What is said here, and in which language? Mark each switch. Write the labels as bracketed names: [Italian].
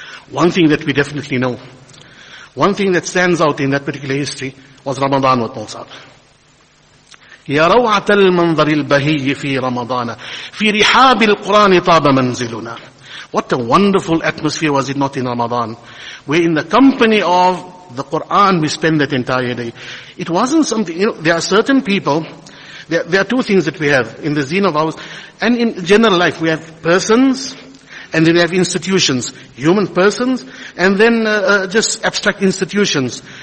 [English] One thing that we definitely know, one thing that stands out in that particular history, was Ramadan, what falls out. [Arabic] يا روعة المنظر البهي في رمضان في رحاب القرآن طاب منزلنا. [English] What a wonderful atmosphere was it not in Ramadan, where in the company of the Quran we spend that entire day. It wasn't something, you know, there are certain people, there are two things that we have in the zine of ours, and in general life we have persons, and then we have institutions, human persons, and then just abstract institutions.